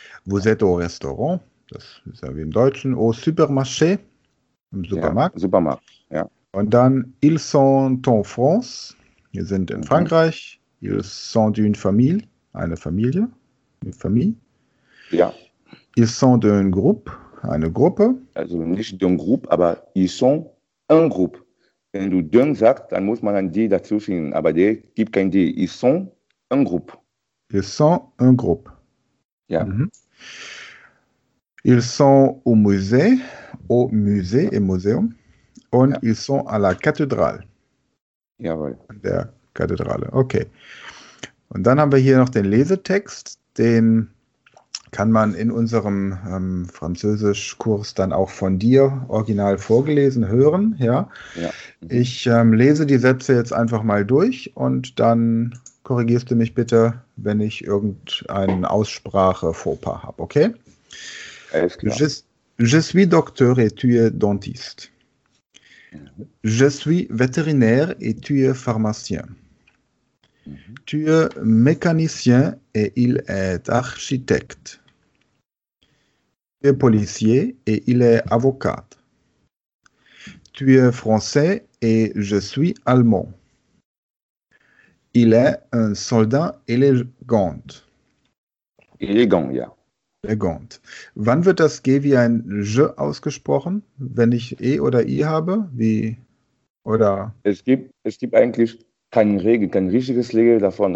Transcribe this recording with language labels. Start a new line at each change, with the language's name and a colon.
French: Vous êtes au Restaurant,
German: das ist ja wie im Deutschen.
French: Au Supermarché, im
German: Ja, Supermarkt. Supermarkt, ja. Und dann,
French: ils sont en France,
German: wir sind in Frankreich.
French: Ils sont une famille,
German: eine Familie,
French: une famille.
German: Ja.
French: Ils sont un groupe,
German: eine Gruppe. Also nicht den Group, aber
French: ils sont un groupe.
German: Wenn du den sagst, dann muss man ein D dazu finden, aber der gibt kein D.
French: Ils sont un groupe. Ils sont un groupe.
German: Ja.
French: Ils sont au musée et Museum. Und ils sont à la cathédrale.
German: Jawohl. An der Kathedrale. Okay. Und dann haben wir hier noch den Lesetext, den kann man in unserem Französischkurs dann auch von dir original vorgelesen hören. Ja, Ja. ich lese die Sätze jetzt einfach mal durch und dann korrigierst du mich bitte, wenn ich irgendeinen Aussprache-Fauxpas habe. Okay? Alles klar.
French: Je suis docteur et tu es dentiste. Je suis vétérinaire et tu es pharmacien. Tu es mécanicien et il est architecte. Tu es policier et il est avocat. Tu es français et je suis allemand. Il est un soldat élégant. Élégant, ja. Élégant.
German: Wann wird das G wie ein Je ausgesprochen? Wenn ich E oder I habe? Wie? Oder? Es gibt eigentlich keine Regel, kein richtiges Regel davon.